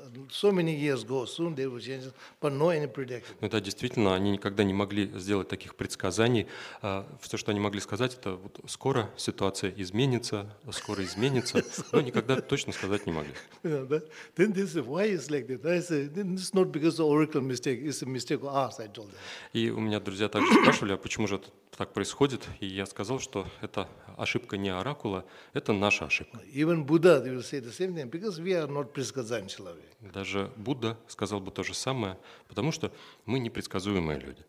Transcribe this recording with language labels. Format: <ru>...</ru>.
<en>So many years ago, soon they will change it. But no any predict.</en> <ru>Ну да, действительно, они никогда не могли сделать таких предсказаний. Все, что они могли сказать, это вот скоро ситуация изменится, скоро изменится. Но никогда точно сказать не могли.</ru> <en>Then they say, why is like that? I say, it's not because of oracle mistake. It's a mistake of ours, I told them.</en> <ru>И у меня друзья также спрашивали, а почему же это так происходит? И я сказал, что это ошибка не оракула, это наша ошибка.</ru> <en>Even Buddha will say the same thing, because we are not</en> <ru>предсказуемый человек. Даже Будда сказал бы то же самое, потому что мы непредсказуемые люди.</ru>